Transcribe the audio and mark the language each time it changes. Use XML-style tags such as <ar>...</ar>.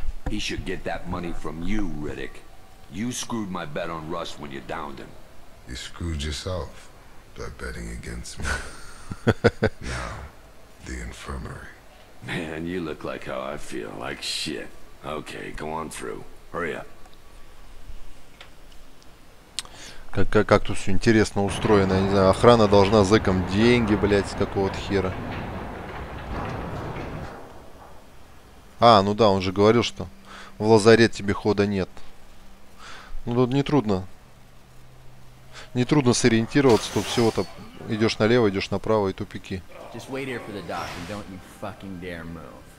<en>He should get that money from you, Riddick. You screwed my bet on Rust when you downed him. You screwed yourself by betting against me. Now, the infirmary. Man, you look like how I feel, like shit. Okay, go on through. Hurry up.</en> <ru>Как тут все интересно устроено. Я не знаю, охрана должна зэкам деньги, блять, с какого-то хера. А, ну да, он же говорил, что в лазарет тебе хода нет. Ну тут нетрудно. Нетрудно сориентироваться, тут всего-то идешь налево, идешь направо и тупики.</ru> <en>Just wait here for the doc and don't you fucking dare move.</en>